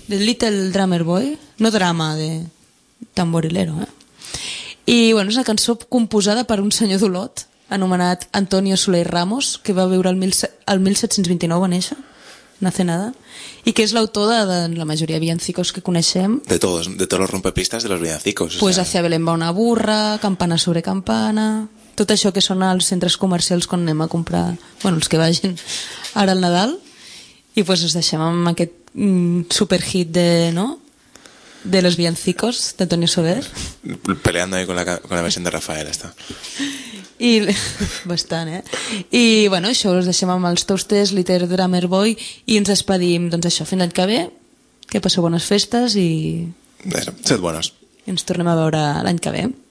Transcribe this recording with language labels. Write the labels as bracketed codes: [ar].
[en] The Little Drummer Boy. No drama, de Tamborilero. [ca] I, bueno, és una cançó composada per un senyor d'Olot, anomenat Antonio Soler Ramos, que va viure el 1729, va néixer, [es] no hace nada, [ca] i que és l'autor de la majoria de villancicos que coneixem. [es] De todos, de todos los rompepistas de los villancicos. [ca] Pues hacia Belén va una burra, campana sobre campana, tot això que sona als centres comercials quan anem a comprar, bueno, els que vagin ara al Nadal, i pues us deixem amb aquest superhit de, no?, [es] de los villancicos, [ca] de Antonio Soler. [es] Peleando ahí con la versión de Rafael, está. [ca] I, bastant, I, bueno, això, us deixem amb els Toasters, Little Drummer Boy, i ens despedim, doncs això, fins l'any que ve, que passeu bones festes i... Adéu, [es] sed buenos. [ca] I ens tornem a veure l'any que ve.